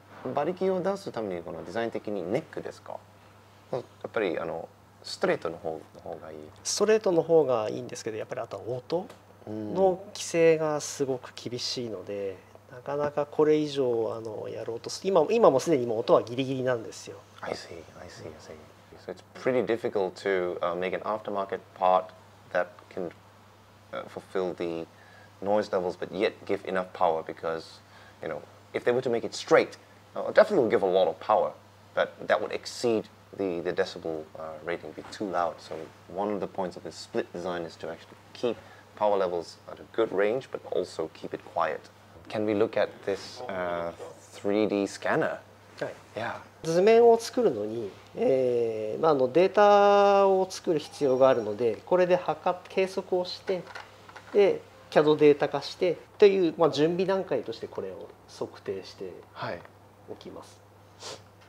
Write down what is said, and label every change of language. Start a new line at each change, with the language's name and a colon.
Japanese: 馬力を出すためにこのデザイン的にネックですか？やっぱりあのストレートの方の方がいい。ストレートの方がいいんですけど、やっぱりあとは音の規制がすごく厳しいので、なかなかこれ以上あのやろうとする。今もすでにもう音はギリギリなんですよ。
English: I see. So it's pretty difficult to make an aftermarket part that can fulfill the noise levels but yet give enough power because, you know, if they were to make it straight, definitely will give a lot of power, but that would exceed the decibel rating, be too loud. So one of the points of this split design is to actually keep power levels at a good range but also keep it quiet. Can we look at this 3D scanner? Yeah.
Japanese: 図面を作るのに、データを作る必要があるので、これで計測をして、で CAD データ化してという、準備段階としてこれを測定しておきます。